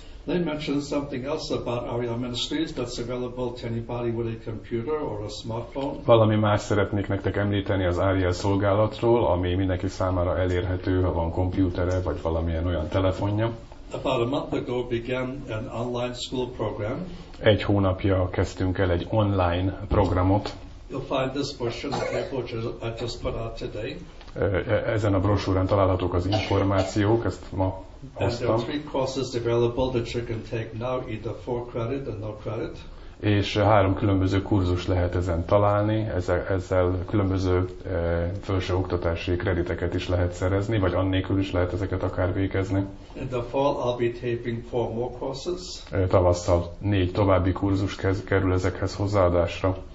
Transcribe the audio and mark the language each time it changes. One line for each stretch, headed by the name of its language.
English: They mentioned something else about Aria Ministries that's available to anybody with a computer or a smartphone.
Hungarian: Valami más szeretnék nektek említeni az Aria szolgálatról, ami mindenki számára elérhető, ha van komputere vagy valamilyen olyan telefonja.
English: About a month ago began an online school program.
Hungarian: Egy hónapja kezdtünk el egy online programot.
English: You'll find this portion of the paper I just put out today.
Hungarian: Ezen a brosúrán találhatók az információk, ezt ma hoztam.
English: And there are three courses available that you can take now, either for credit or no credit.
Hungarian: És három különböző kurzus lehet ezen találni, ezzel különböző felső oktatási krediteket is lehet szerezni, vagy annélkül is lehet ezeket akár végezni.
English: In the fall I'll be taping four more courses.
Hungarian: Tavasszal négy további kurzus kerül ezekhez hozzáadásra.